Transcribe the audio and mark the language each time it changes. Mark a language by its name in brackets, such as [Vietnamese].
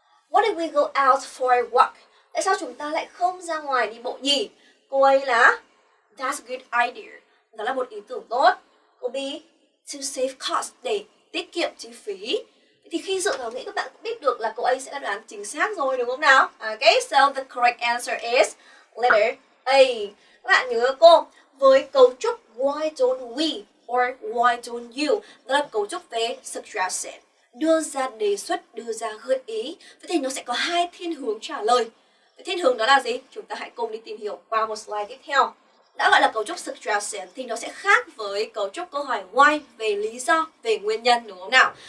[English] What if we go out for a walk? [Vietnamese] Tại sao chúng ta lại không ra ngoài đi bộ nhỉ? Cô ấy là [English] that's a good idea. [Vietnamese] Đó là một ý tưởng tốt. Cô B, [English] to save cost, [Vietnamese] để tiết kiệm chi phí. Thì khi dựa vào nghĩa các bạn cũng biết được là cô ấy sẽ đoán chính xác rồi đúng không nào? [English] Ok, so the correct answer is letter A. [Vietnamese] Các bạn nhớ cô, với cấu trúc [English] why don't we or why don't you, [Vietnamese] đó là cấu trúc về suggestion, đưa ra đề xuất, đưa ra gợi ý. Vậy thì nó sẽ có hai thiên hướng trả lời. Thiên hướng đó là gì? Chúng ta hãy cùng đi tìm hiểu qua một slide tiếp theo. Đã gọi là cấu trúc suggestion thì nó sẽ khác với cấu trúc câu hỏi why, về lý do, về nguyên nhân đúng không nào?